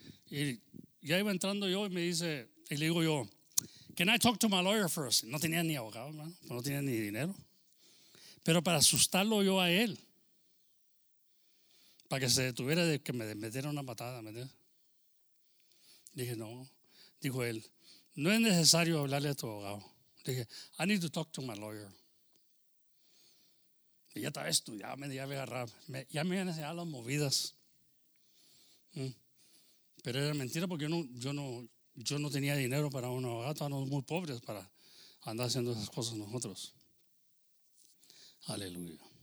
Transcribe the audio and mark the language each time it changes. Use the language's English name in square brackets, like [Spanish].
[Spanish] Y ya iba entrando yo y me dice, y le digo yo, [English] can I talk to my lawyer first? [Spanish] No tenía ni abogado, hermano, no tenía ni dinero. Pero para asustarlo yo a él, para que se detuviera de que me metiera una patada, ¿me entiendes? Dije, no, dijo él, no es necesario hablarle a tu abogado. Dije, [English] I need to talk to my lawyer. [Spanish] Y ya estaba estudiando, ya me agarraba, ya me habían enseñado las movidas. Pero era mentira porque yo no tenía dinero para un abogado, estábamos muy pobres para andar haciendo esas cosas nosotros. Aleluya.